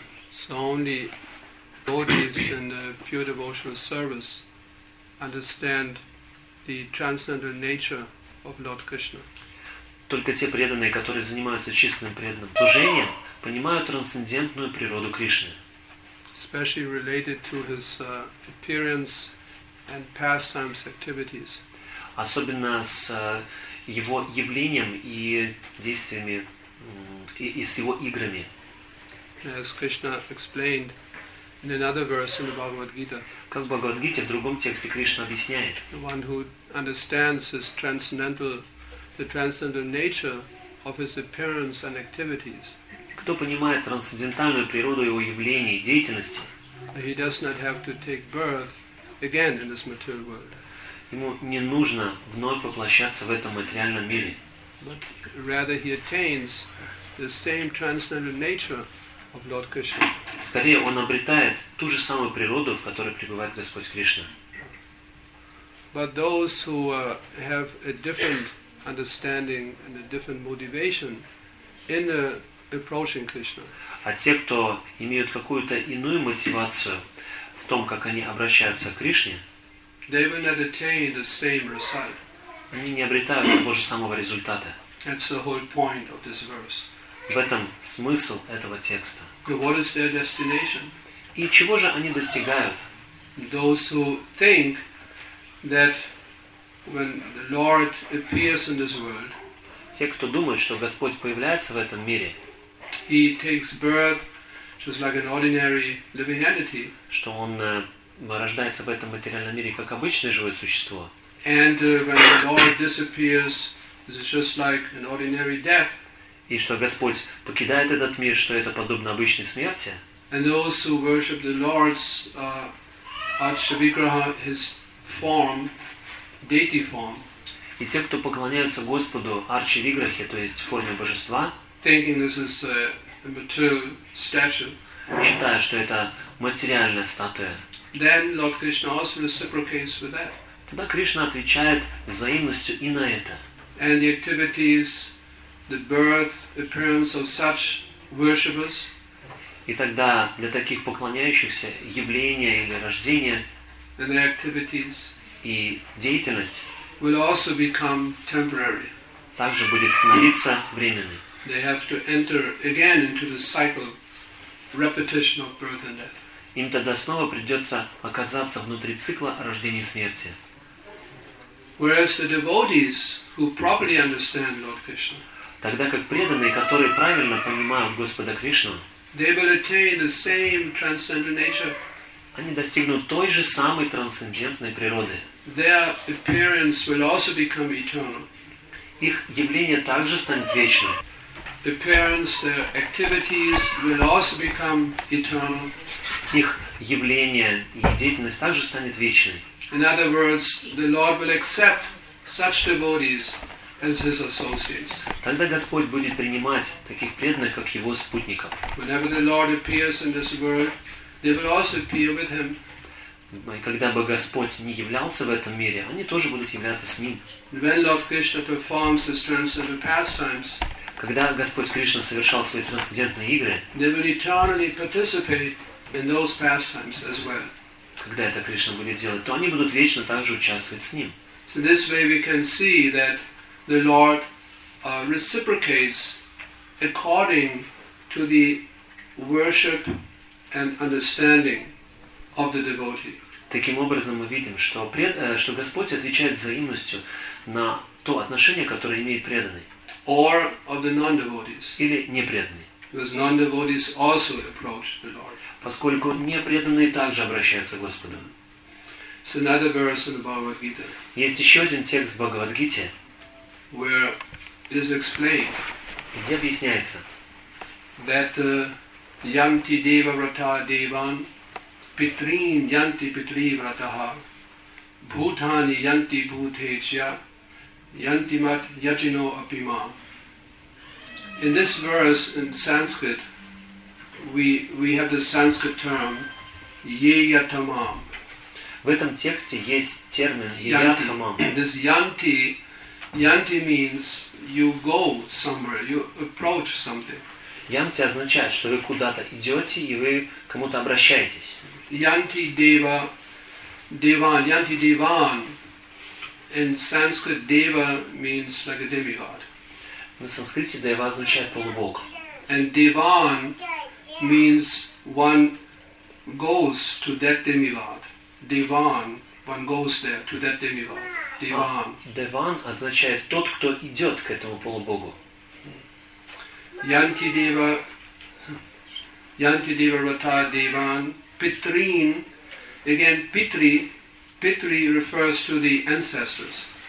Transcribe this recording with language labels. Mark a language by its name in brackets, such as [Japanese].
[English] So only devotees in the pure devotional service understand the transcendental nature of Lord Krishna. [Russian] Только те преданные, которые занимаются чистым преданным служением, понимают трансцендентную природу Кришны. [English] Especially related to his appearance and pastimes activities. [Russian] Особенно с его явлением и действиями и с его играми. [English] As Krishna explained in another verse in the Bhagavad Gita. [Russian] Как в Бхагавад-гите в другом тексте Кришна объясняет. [English] The one who understands his transcendental The transcendental nature of his appearance and activities. [Russian] Кто понимает трансцендентальную природу его явлений, деятельности, [English] he does not have to take birth again in this material world. [Russian] Ему не нужно вновь воплощаться в этом материальном мире. [English] But rather he attains the same transcendental nature of Lord Krishna. [Russian] Скорее, он обретает ту же самую природу, в которой пребывает Господь Кришна. [English] But those who have a different understanding and a different motivation in approaching Krishna. [Russian] А те, кто имеют какую-то иную мотивацию в том, как они обращаются к Кришне, [English] they will not attain the same result. [Russian] Они не обретают того же самого результата. [English] That's the whole point of this verse. [Russian] В этом смысл этого текста. [English] So what is their destination? [Russian] И чего же они достигают? [English] Those who think that when the Lord appears in this world, [Russian] те, кто думают, что Господь появляется в этом мире, [English] he takes birth just like an ordinary living entity, [Russian] что он рождается в этом материальном мире как обычное живое существо. [English] And when the Lord disappears, this is just like an ordinary death. [Russian] И что Господь покидает этот мир, что это подобно обычной смерти. [English] And those who worship the Lord's Archavigraha, his form, deity form. [Russian] И те, кто поклоняются Господу Арчавиграхе, то есть форме божества, [English] thinking this is a material statue, [Russian] считая, что это материальная статуя, [English] then Lord Krishna also reciprocates with that. [Russian] Тогда Кришна отвечает взаимностью и на это. [English] And the activities, the birth, appearance of such worshippers. [Russian] И тогда для таких поклоняющихся явление или рождение, [English] and their activities, [Russian] и деятельность, [English] will also become temporary. [Russian] Также будет становиться временной. [English] They have to enter again into the cycle, repetition of birth and death. [Russian] Им тогда снова придется оказаться внутри цикла рождения и смерти. [English] Whereas the devotees who properly understand Lord Krishna, [Russian] тогда как преданные, которые правильно понимают Господа Кришну, [English] they will attain the same transcendental nature. [Russian] Они достигнут той же самой трансцендентной природы. [English] Their appearance will also become eternal. [Russian] Их явление также станет вечным. [English] Appearance, their activities will also become eternal. [Russian] Их явление и деятельность также станет вечной. [English] In other words, the Lord will accept such devotees as his associates. [Russian] Тогда Господь будет принимать таких преданных, как его спутников. [English] Whenever the Lord appears in this world, they will also appear with him. [Russian] И когда бы Господь не являлся в этом мире, они тоже будут являться с ним. [English] When Lord Krishna performs his transcendental pastimes, [Russian] когда Господь Кришна совершал свои трансцендентные игры, [English] they will eternally participate in those pastimes as well. [Russian] Когда это Кришна будет делать, то они будут вечно также участвовать с ним. [English] So this way we can see that the Lord reciprocates according to the worship and understanding of the devotee. [Russian] Таким образом мы видим, что что Господь отвечает взаимностью на то отношение, которое имеет преданный. [English] Or of the non-devotees. [Russian] Или непреданный. [English] Because non-devotees also approach the Lord. [Russian] Поскольку непреданные также обращаются к Господу. [English] So another verse in the Bhagavad Gita. [Russian] Есть еще один текст в Бхагавад-гите, [English] where it is explained, [Russian] где объясняется, [Sanskrit] that yanti deva vrata devan pitrin yanti pitri vrataha bhutani yanti bhutecha yanti mat yajino apima. [English] In this verse in Sanskrit, we have the Sanskrit term yeyatamam. [Russian] В этом тексте есть термин yeyatamam. [English] This yanti means you go somewhere, you approach something. [Russian] Yanti означает, что вы куда-то идете и вы кому-то обращаетесь. [Sanskrit] Yanti deva, devan, yanti devan. [English] In Sanskrit, deva means like a demigod. [Russian] На санскрите дева означает полубог. [English] And devan means one goes to that demigod. Devan, one goes there to that demigod. Devan. [Russian] Devan означает тот, кто идет к этому полубогу. [Sanskrit] Yanti deva rata devan. [English] Pitrin, again pitri, pitri refers to the ancestors.